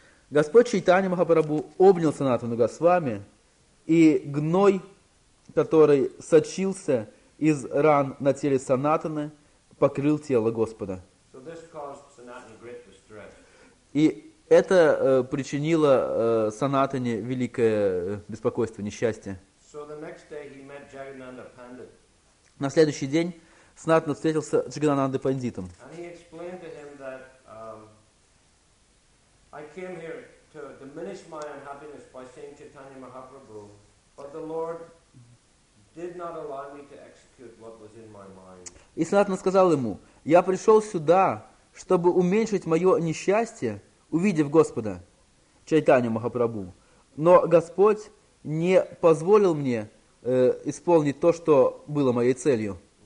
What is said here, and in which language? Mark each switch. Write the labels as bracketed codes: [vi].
[ru] Господь Чайтанья Махапрабху обнял Санатану Госвами, и гной, который сочился из ран на теле Санатаны, покрыл тело Господа. [en] So this caused Sanatana great distress. [ru] И это причинило Санатане великое беспокойство, несчастье. [en] So the next day he met Jagannanda Pandit. [ru] На следующий день Санатана встретился с Джагананды Пандитом. [en] And he explained to him that I came here to diminish my unhappiness by saying Chaitanya Mahaprabhu, but the Lord did not allow me to execute what was in my mind. [ru] И Санатана сказал ему: «Я пришел сюда, чтобы уменьшить мое несчастье, увидев Господа, Чайтанья Махапрабху. Но Господь не позволил мне исполнить то, что было моей целью».